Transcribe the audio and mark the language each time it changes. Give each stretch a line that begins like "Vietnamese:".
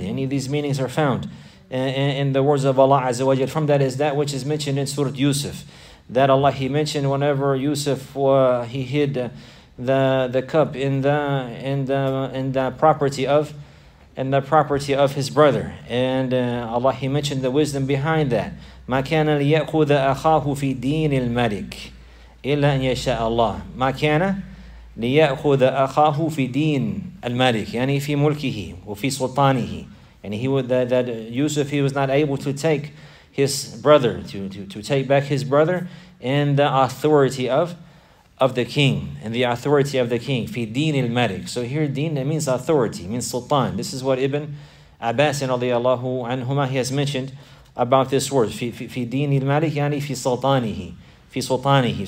English: Any of these meanings are found in the words of Allah Azza wa Jal. From that is that which is mentioned in Surah Yusuf. That Allah, he mentioned whenever Yusuf, he hid the cup in the property of and the property of his brother. And Allah, he mentioned the wisdom behind that.
Arabic: مَا كَانَ لِيَأْخُذَ أَخَاهُ فِي دِينِ الْمَلِكِ إِلَّا أَنْ يَشَاءَ اللَّهُ مَا كَانَ لِيَأْخُذَ أَخَاهُ فِي دِينِ الْمَلِكِ يعني في ملكه وفي سلطانه.
English: And he would, that Yusuf, he was not able to take his brother, to take back his brother in the authority of the king, and the authority of the king,
Arabic: fi din al malik.
English: So here din, it means authority, means sultan. This is what Ibn Abbas radiyallahu anhuma, he has mentioned about this word,
Arabic: fi din al malik, yani fi sultanihi.